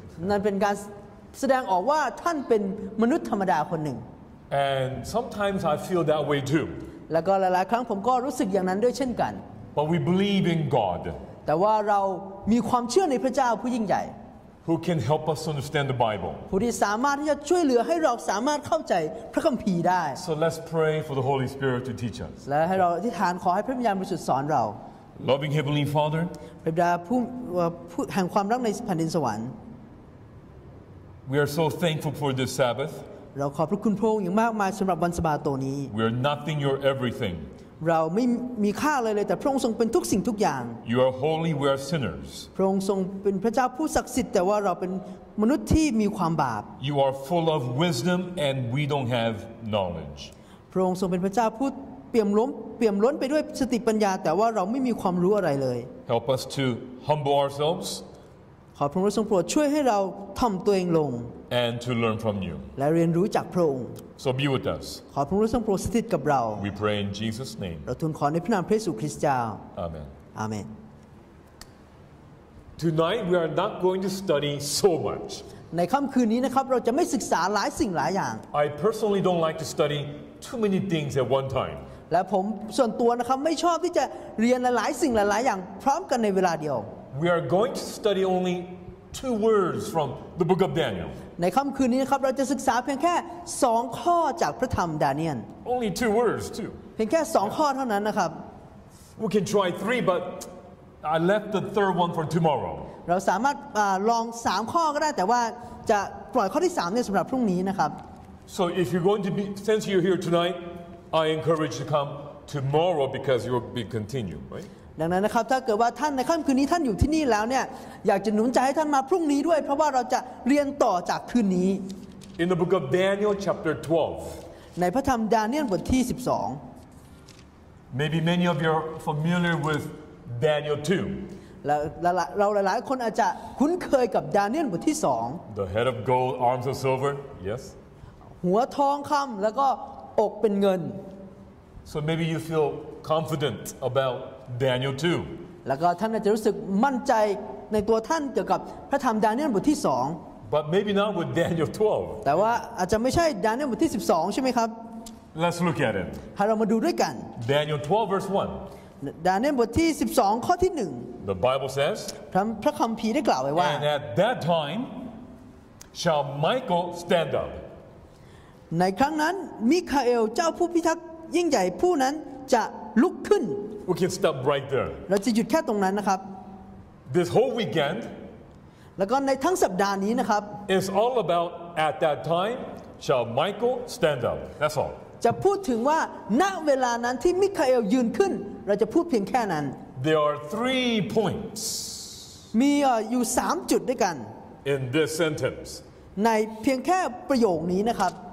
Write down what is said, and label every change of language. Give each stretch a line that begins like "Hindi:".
Thai: นั่นเป็นการแสดงออกว่าท่านเป็นมนุษย์ธรรมดาคนหนึ่ง
English: And sometimes I feel that way too
Thai: แล้วก็หลายๆครั้งผมก็รู้สึกอย่างนั้นด้วยเช่นกัน
English: But we believe in God
Thai: แต่ว่าเรามีความเชื่อในพระเจ้าผู้ยิ่งใหญ่
English: Who can help us understand the Bible
Thai: ผู้ที่สามารถที่จะช่วยเหลือให้เราสามารถเข้าใจพระคัมภีร์ได้
English: So let's pray for the Holy Spirit to teach us
Thai: และให้เราอธิษฐานขอให้พระวิญญาณบริสุทธิ์สอนเรา
English: Loving Heavenly Father
Thai: พระบิดาผู้แห่งความรักในแผ่นดินสวรรค์
English: We are so thankful for this Sabbath
Thai: เราขอบพระคุณพระองค์อย่างมากมายสำหรับวันสะบาโตนี้
English: We are nothing, you're everything.
Thai: เราไม่มีค่าอะไรเลยแต่พระองค์ทรงเป็นทุกสิ่งทุกอย่าง
English: You are holy, we are sinners.
Thai: พระองค์ทรงเป็นพระเจ้าผู้ศักดิ์สิทธิ์แต่ว่าเราเป็นมนุษย์ที่มีความบาป
English: You are full of wisdom and we don't have knowledge.
Thai: พระองค์ทรงเป็นพระเจ้าพูดเปี่ยมล้นไปด้วยสติปัญญาแต่ว่าเราไม่มีความรู้อะไรเลย
English: Help us to humble ourselves
Thai: ขอพระองค์ทรงโปรดช่วยให้เราถ่อมตัวเองลง
English: And to learn from you
Thai: และเรียนรู้จากพระองค์
English: So be with us
Thai: ขอพระองค์ทรงโปรดสถิตกับเรา
English: We pray in Jesus name
Thai: เราทูลขอในพระนามพระเยซูคริสต์เจ้า
English: Amen Amen Tonight we are not going to study so much.
Thai: ในค่ำคืนนี้นะครับเราจะไม่ศึกษาหลายสิ่งหลายอย่าง
English: I personally don't like to study too many things at one time.
Thai: และผมส่วนตัวนะครับไม่ชอบที่จะเรียนหลายสิ่งหลายอย่างพร้อมกันในเวลาเดียว
English: We are going to study only two words from the book of Daniel.
Thai: ในค่ำคืนนี้นะครับเราจะศึกษาเพียงแค่สองข้อจากพระธรรมดาเนียล
English: Only two words too.
Thai: เพียงแค่สองข้อเท่านั้นนะครับ
English: We can try three, butI left the third one for tomorrow.
Thai: เราสามารถลอง3ข้อก็ได้แต่ว่าจะปล่อยข้อที่3เนี่ยสำหรับพรุ่งนี้นะครับ
English: So if you're going to be since you're here tonight, I encourage you to come tomorrow because you will be continue, right?
Thai: ดังนั้นนะครับถ้าเกิดว่าท่านในค่ำคืนนี้ท่านอยู่ที่นี่แล้วเนี่ยอยากจะหนุนใจให้ท่านมาพรุ่งนี้ด้วยเพราะว่าเราจะเรียนต่อจากคืนนี้
English: In the book of Daniel chapter 12.
Thai: ในพระธรรมดาเนียลบทที่12.
English: Maybe many of you are familiar withDaniel 2.
Thai: เราหลายๆคนอาจจะคุ้นเคยกับดาเนียลบทที่2
English: The head of gold, arms of silver. Yes.
Thai: หัวทองคำแล้วก็อกเป็นเงิน
English: So maybe you feel confident about Daniel 2.
Thai: แล้วก็ท่านอาจจะรู้สึกมั่นใจในตัวท่านเกี่ยวกับพระธรรมดาเนียลบทที่2
English: But maybe not with Daniel 12.
Thai: แต่ว่าอาจจะไม่ใช่ดาเนียลบทที่12ใช่ไหมครับ
English: Let's look at it.
Thai: ให้เรามาดูด้วยกัน
English: Daniel 12 verse 1.
Thai: ดาเนียลบทที่12ข้อที่1
English: The Bible says
Thai: พระคัมภีร์ได้กล่าวไว้ว่า
English: And at that time shall Michael stand up
Thai: ในครั้งนั้นมิคาเอลเจ้าผู้พิทักษ์ยิ่งใหญ่ผู้นั้นจะลุกขึ้น
English: We can stop right there
Thai: เราจะหยุดแค่ตรงนั้นนะครับ
English: This whole weekend
Thai: แล้วก็ในทั้งสัปดาห์นี้นะครับ
English: is all about at that time shall Michael stand up That's all
Thai: จะพูดถึงว่าณเวลานั้นที่มิคาเอลยืนขึ้นเราจะพูดเพียงแค่นั้น
English: There are three points
Thai: มีอยู่3จุดด้วยกัน
English: In this sentence
Thai: ในเพียงแค่ประโยคนี้นะครับ